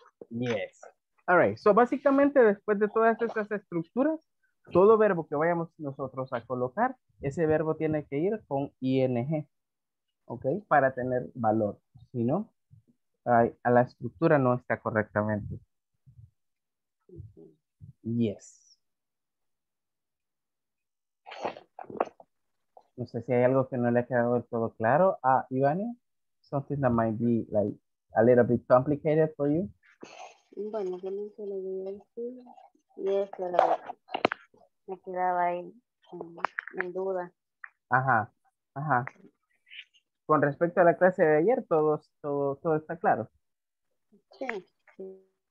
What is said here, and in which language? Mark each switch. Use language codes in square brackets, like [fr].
[es] Yes. All right. So básicamente después de todas estas estructuras, todo verbo que vayamos nosotros a colocar, ese verbo tiene que ir con ing, okay, para tener valor. Si no, a la estructura no está correctamente. [en] Yes. [es] No sé si hay algo que no le ha quedado del todo claro a Ivania. [en] Something that might be like a little bit complicated for you. [es] Bueno, yo no se lo voy a decir. Y eso lo me quedaba ahí en duda. Ajá, ajá. Con respecto a la clase de ayer, todo está claro. Sí.